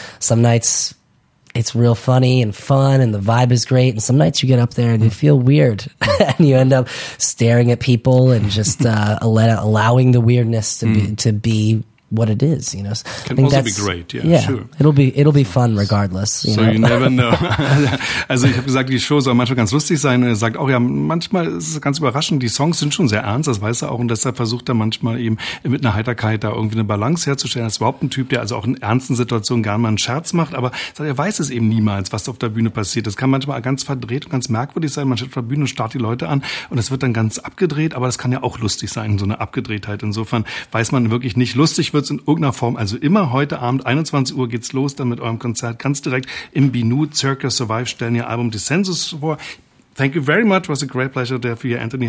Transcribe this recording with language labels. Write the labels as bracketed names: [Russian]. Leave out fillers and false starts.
[English] Some nights it's real funny and fun and the vibe is great. And some nights you get up there and you feel weird and you end up staring at people and just allowing the weirdness to be what it is, you know. Can also be great, sure. It'll be fun regardless. You never know. [German] Also ich habe gesagt, die Show soll manchmal ganz lustig sein. Und er sagt auch, ja, manchmal ist es ganz überraschend. Die Songs sind schon sehr ernst, das weiß er auch. Und deshalb versucht er manchmal eben mit einer Heiterkeit da irgendwie eine Balance herzustellen. Er ist überhaupt ein Typ, der also auch in ernsten Situationen gerne mal einen Scherz macht. Aber er weiß es eben niemals, was auf der Bühne passiert. Das kann manchmal ganz verdreht und ganz merkwürdig sein. Man steht auf der Bühne und starrt die Leute an und es wird dann ganz abgedreht. Aber das kann ja auch lustig sein, so eine Abgedrehtheit. Insofern weiß man wirklich nicht, lustig wird es in irgendeiner Form, also immer heute Abend 21 Uhr geht's los dann mit eurem Konzert ganz direkt im Binu Circus Survive, stellen ihr Album Dissensus vor. [English] Thank you very much, was a great pleasure there for you, Anthony.